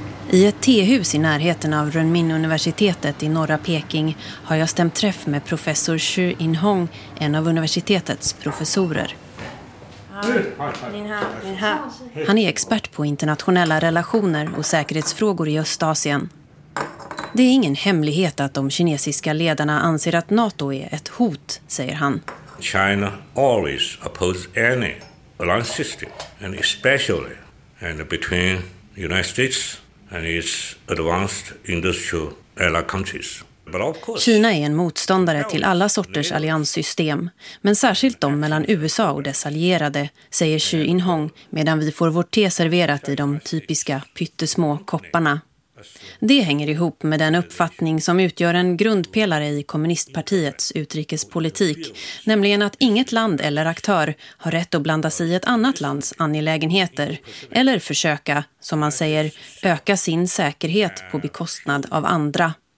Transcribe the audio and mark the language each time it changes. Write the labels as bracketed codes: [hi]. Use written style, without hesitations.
[sv] I ett tehus i närheten av Renmin-universitetet i norra Peking har jag stämt träff med professor Xu Inhong, en av universitetets professorer. Han är expert på internationella relationer och säkerhetsfrågor i Östasien. Det är ingen hemlighet att de kinesiska ledarna anser att NATO är ett hot, säger han. [en] China always opposes any alliance system, and especially and between the United States and its advanced industrial allied countries. [sv] Kina är en motståndare till alla sorters allianssystem, men särskilt de mellan USA och dess allierade, säger Xu Inhong, medan vi får vårt te serverat i de typiska pyttesmå kopparna. Det hänger ihop med den uppfattning som utgör en grundpelare i kommunistpartiets utrikespolitik, nämligen att inget land eller aktör har rätt att blanda sig i ett annat lands angelägenheter eller försöka, som man säger, öka sin säkerhet på bekostnad av andra.